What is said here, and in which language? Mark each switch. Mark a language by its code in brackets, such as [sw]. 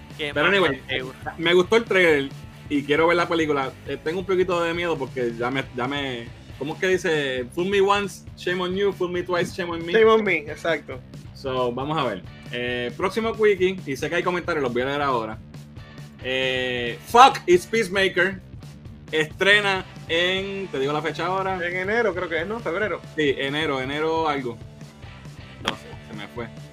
[es] Pero anyway, me gustó el trailer y quiero ver la película. Tengo un poquito de miedo porque ya me... ¿Cómo es que dice? [en] Fool me once, shame on you. Fool me twice, shame on me. Shame on me, exacto. [es] So, vamos a ver. Próximo quickie, y sé que hay comentarios, los voy a leer ahora. Fuck is Peacemaker estrena en, te digo la fecha ahora. En enero creo que es, ¿no? Febrero. Sí, enero algo. No sé, se me fue.